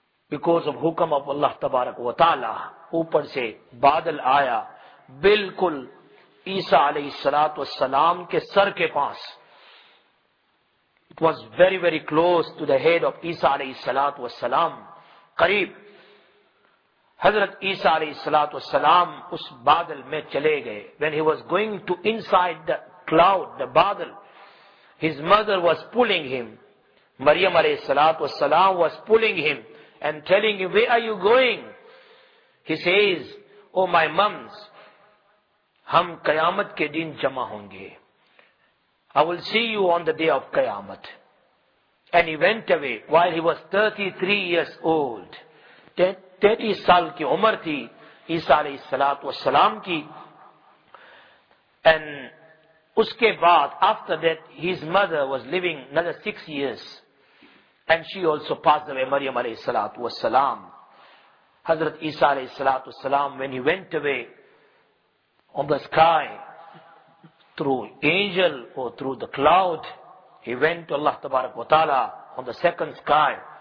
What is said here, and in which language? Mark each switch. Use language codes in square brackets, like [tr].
[en] because of [ur] حکم of اللہ تبارک و تعالی اوپر سے بادل آیا بالکل عیسیٰ علیہ الصلوۃ والسلام کے سر کے پاس [en] it was very very close to the head of [ur] عیسیٰ علیہ الصلوۃ والسلام قریب حضرت عیسیٰ علیہ الصلوۃ والسلام اس بادل میں چلے گئے. [en] When he was going to inside the cloud, the badal, his mother was pulling him. Maryam علیہ الصلوۃ والسلام was pulling him and telling him, where are you going? He says, oh my mums, [ur] ہم قیامت کے دن جمع ہوں گے. [en] I will see you on the day of Qiyamat. And he went away while he was 33 years old. [ur] 33 سال کی عمر تھی عیسیٰ علیہ الصلوۃ والسلام کی. [en] And [ur] اس کے بعد, [en] after that, his mother was living another 6 years. And she also passed away, Maryam علیہ الصلوۃ والسلام. حضرت عیسیٰ علیہ الصلوۃ والسلام, when he went away on the sky, through angel or through the cloud, he went to Allah tabarak wa ta'ala on the second sky.